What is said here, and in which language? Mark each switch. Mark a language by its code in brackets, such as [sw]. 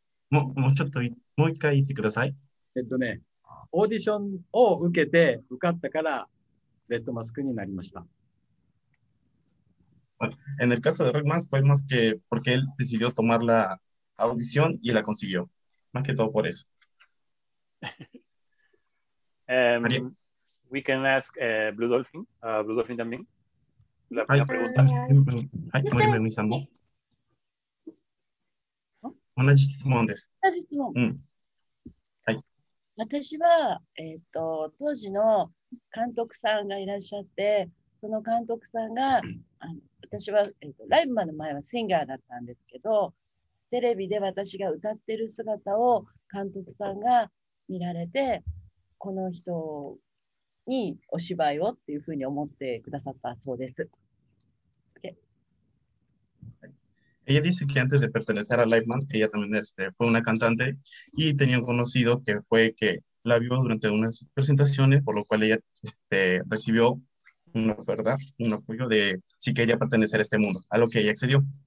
[ja] もうちょっともう一回 言ってください。ね、オーディションを受けて受かったからレッドマスクになりました。 [es] En el caso de Rockman fue más que porque él decidió tomar la audición y la consiguió. Más que todo por eso. María. [en] We can ask Blue Dolphin. [es] Blue Dolphin también. La pregunta. Ay, María, me llamó. [ja] 同じ質問です。同じ質問。うん、はい。私は、当時の監督さんがいらっしゃって、その監督さんが、私は、ライブマンの前はシンガーだったんですけど、テレビで私が歌ってる姿を監督さんが見られて、この人にお芝居をっていうふうに思ってくださったそうです。 [es] Ella dice que antes de pertenecer a Liveman, ella también fue una cantante y tenía un conocido que fue que la vio durante unas presentaciones, por lo cual ella recibió una oferta, un apoyo de si quería pertenecer a este mundo, a lo que ella accedió.